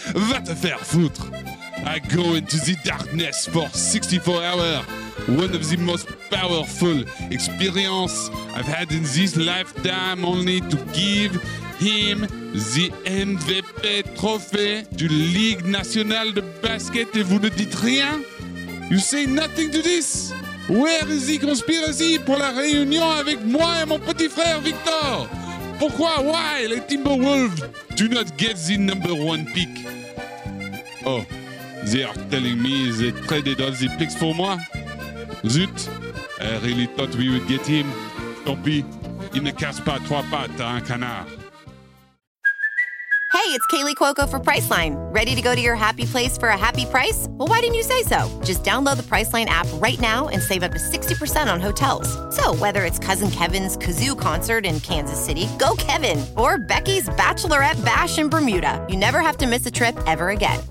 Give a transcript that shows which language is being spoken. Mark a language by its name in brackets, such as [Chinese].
[French] Va te faire foutre. [English] I go into the darkness for 64 hours. One of the most powerful experiences I've had in this lifetime, only to give him the MVP [French] trophée du Ligue Nationale de Basket, et vous ne dites rien? [English] You say nothing to this? Where is the conspiracy [French] pour la réunion avec moi et mon petit frère Victor? [English] Pourquoi, why, les Timberwolves do not get the number one pick? Oh, they are telling me they traded all the picks for moi. Zut, I really thought we would get him. [French] Tant pis, il ne casse pas trois pattes à un canard. [English] Hey, it's Kaylee Cuoco for Priceline. Ready to go to your happy place for a happy price? Well, why didn't you say so? Just download the Priceline app right now and save up to 60% on hotels. So whether it's Cousin Kevin's Kazoo Concert in Kansas City, go Kevin! Or Becky's Bachelorette Bash in Bermuda, you never have to miss a trip ever again.